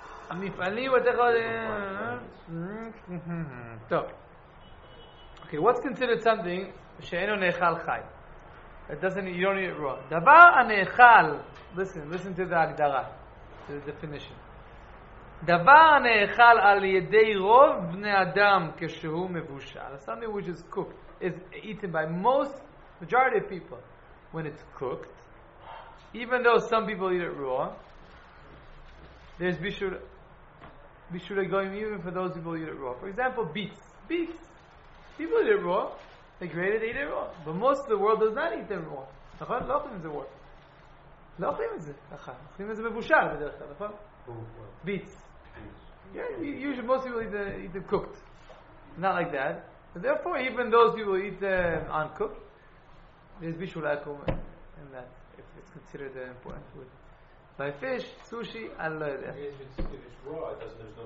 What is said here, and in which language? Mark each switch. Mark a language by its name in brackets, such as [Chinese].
[English] I mean, finally, what they call it. Okay, what's considered something? [Hebrew] She'eno ne'echal chai. [English] It doesn't, you don't eat it raw. [Hebrew] Davar ane'echal. [English] Listen to the agdara, to the definition. [Hebrew] דבר הנאכל על ידי רוב בני אדם כשהוא מבושל. [English] Something which is cooked is eaten by most majority of people when it's cooked. Even though some people eat it raw, there's bishul goyim even for those people who eat it raw. For example, beets. People eat it raw. They grate it, they eat it raw. But most of the world does not eat them raw. [Hebrew] נכון? לא אוכלים את זה raw. לא אוכלים את זה. נכון. אוכלים את זה מבושל בדרך כלל. נכון? Beets. [English] Yeah, usually most people eat them cooked, not like that. And therefore, even those people eat them uncooked. There's bishul akum in that if it's considered an important food. By fish, sushi, I love it. If it's raw, there's no